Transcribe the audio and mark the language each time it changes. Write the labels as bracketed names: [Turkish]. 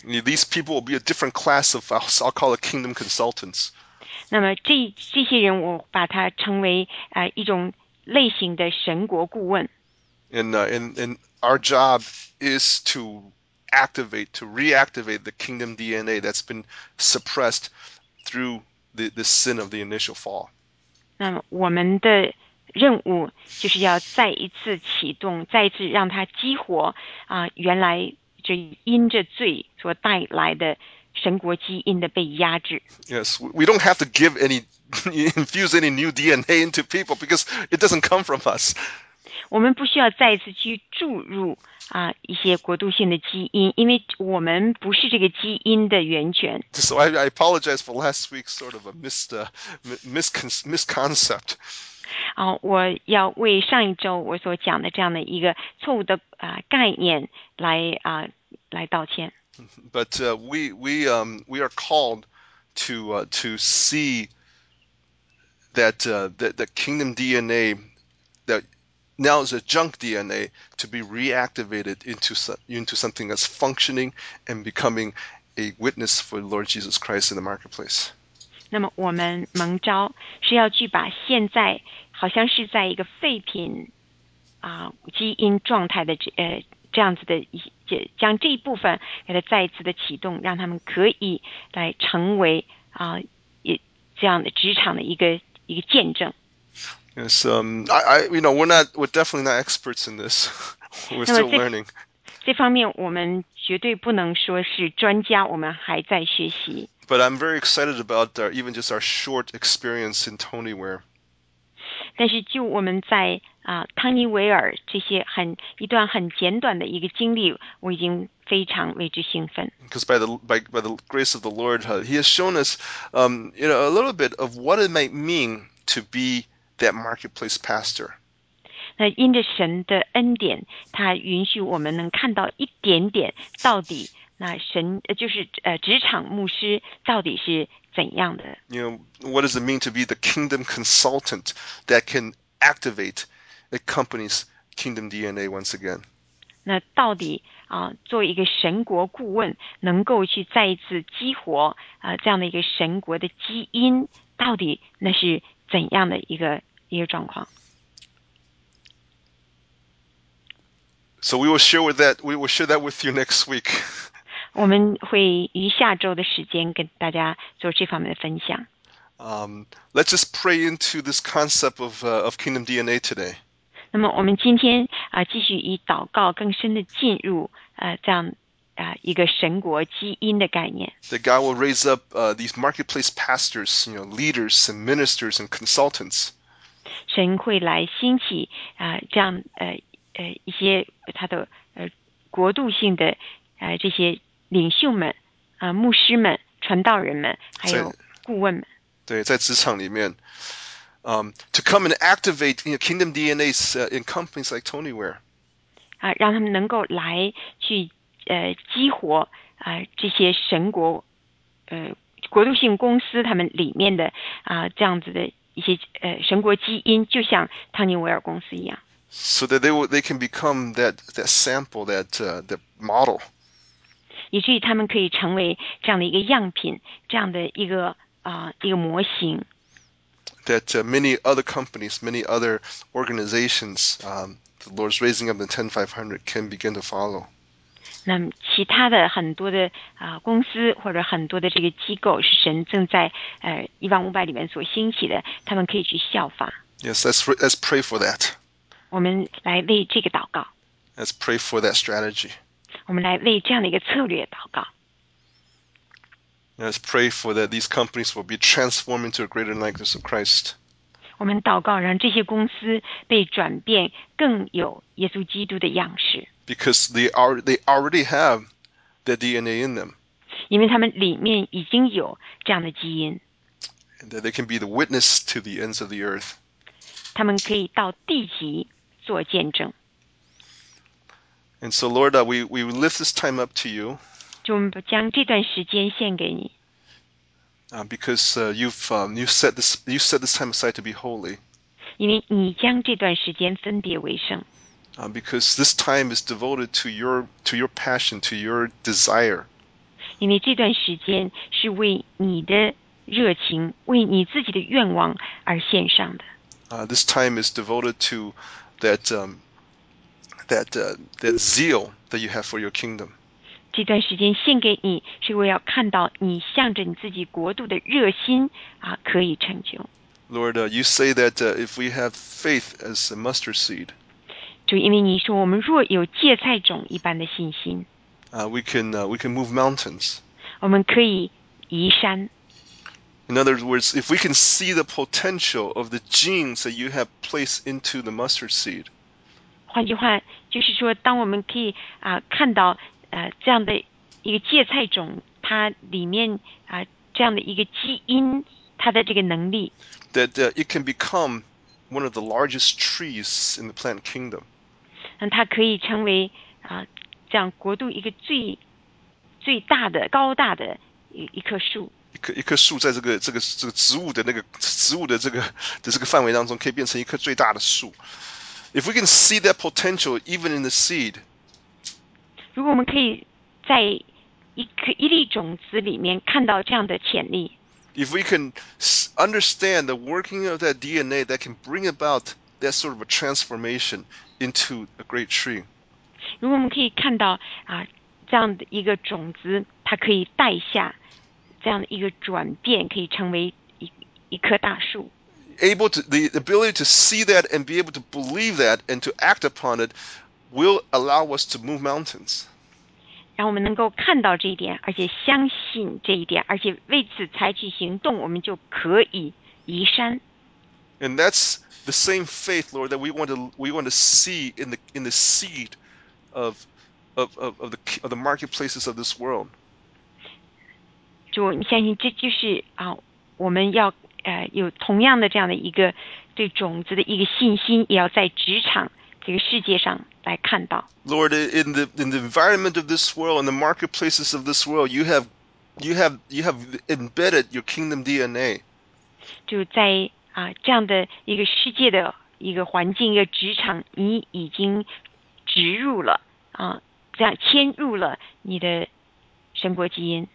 [English] These people will be a different class of, I'll call it kingdom consultants. [Chinese] 那么这些人，我把他称为一种类型的神国顾问。 [English] And our job is to reactivate the kingdom DNA that's been suppressed through the sin of the initial fall. [Chinese] 那么我们的任务就是要再一次启动，再一次让它激活原来就因着罪所带来的神国基因的被压制。 [English] Yes, we don't have to give any infuse any new DNA into people because it doesn't come from us. [Chinese] 我们不需要再一次去注入一些国度性的基因，因为我们不是这个基因的源泉。 [English] So I apologize for last week's sort of a misconcept. [Chinese] 我要为上一周我所讲的这样的一个错误的概念来道歉。 [English] But we are called to see that the kingdom DNA that now is a junk DNA to be reactivated into something that's functioning and becoming a witness for Lord Jesus Christ in the marketplace. [Chinese] 那么我们蒙召是要去把现在好像是在一个废品基因状态的这样子的将这一部分给它再一次的启动，让他们可以来成为这样的职场的一个见证。 [English] Yes, I you know, we're definitely not experts in this. We're [Chinese] 那么 [English] still learning. [Chinese] 这方面我们绝对不能说是专家，我们还在学习。 [English] But I'm very excited about even just our short experience in Tonyware. [Chinese] 但是，就我们在汤尼维尔这些一段很简短的一个经历，我已经非常为之兴奋。 [English] Because by the grace of the Lord, he has shown us a little bit of what it might mean to be that marketplace pastor. [Chinese] 那因着神的恩典，他允许我们能看到一点点，到底那神就是职场牧师到底是怎样的。 [English] What does it mean to be the kingdom consultant that can activate a company's kingdom DNA once again? [Chinese] 那到底做一个神国顾问，能够去再一次激活这样的一个神国的基因，到底那是怎样的一个状况？ [English] So we will share that with you next week. [Chinese] 我们会于下周的时间跟大家做这方面的分享。 [English] Let's just pray into this concept of kingdom DNA today. [Chinese] 那么我们今天继续以祷告更深的进入这样一个神国基因的概念。 [English] That God will raise up these marketplace pastors, leaders and ministers and consultants. [Chinese] 神会来兴起这样一些他的国度性的这些领袖们牧师们、传道人们，还有顾问们。对，在职场里面， [English] to come and activate kingdom DNAs in companies like Tonyware。 [Chinese] 让他们能够来去激活这些神国国度性公司他们里面的这样子的一些神国基因，就像汤尼维尔公司一样。 [English] So that they can become that sample, that the model. [Chinese] 以至于他们可以成为这样的一个样品，这样的一个一个模型。 [English] That many other companies, many other organizations, the Lord's raising up the 10500 can begin to follow. [Chinese] 那其他的很多的公司或者很多的这个机构是神正在1500里面所兴起的，他们可以去效法。 [English] Yes, let's pray for that. [Chinese] 我们来为这个祷告。 [English] Let's pray for that strategy. [Chinese] 我们来为这样的一个策略祷告。 [English] Let's pray for that these companies will be transformed into a greater likeness of Christ. [Chinese] 我们祷告让这些公司被转变更有耶稣基督的样式。 [English] Because they already have the DNA in them. [Chinese] 因为他们里面已经有这样的基因。 [English] And that they can be the witness to the ends of the earth. [Chinese] 他们可以到地极做见证。 [English] And so Lord, we lift this time up to you. [Chinese] 就我们将这段时间献给你。 [English] Because you set this time aside to be holy. [Chinese] 因为你将这段时间分别为圣。 [English] Because this time is devoted to your passion, to your desire. [Chinese] 因为这段时间是为你的热情，为你自己的愿望而献上的。 [English] This time is devoted to that zeal that you have for your kingdom. [Chinese] 这段时间献给你，是为要看到你向着你自己国度的热心啊，可以成就。 [English] Lord, you say that if we have faith as a mustard seed. [Chinese] 就因为你说我们若有芥菜种一般的信心。 [English] We can move mountains. [Chinese] 我们可以移山。 [English] In other words, if we can see the potential of the genes that you have placed into the mustard seed. [Chinese] 换句话就是说，当我们可以看到这样的一个芥菜种，它里面这样的一个基因，它的这个能力。 [English] That it can become one of the largest trees in the plant kingdom. [Chinese] 让它可以成为这样国度一个最大的高大的一棵树。一棵树在这个植物的那个植物的这个范围当中，可以变成一棵最大的树。 [English] If we can see that potential even in the seed. [Chinese] 如果我们可以在一粒种子里面看到这样的潜力。 [English] If we can understand the working of that DNA that can bring about that sort of a transformation into a great tree. [Chinese] 如果我们可以看到这样的一个种子，它可以带下这样的一个转变，可以成为一棵大树。 [English] Able to, the ability to see that and be able to believe that and to act upon it will allow us to move mountains. [Chinese] 让我们能够看到这一点，而且相信这一点，而且为此采取行动，我们就可以移山。 [English] And that's the same faith, Lord, that we want to see in the seed of the marketplaces of this world. [Chinese] 主，你相信这就是我们要有同样的这样的一个对种子的一个信心，也要在职场这个世界上。 [English] Lord, in the environment of this world, in the marketplaces of this world, you have embedded your kingdom DNA. [Chinese] 就在这样的一个世界的一个环境、一个职场，你已经植入了这样嵌入了你的神国基因。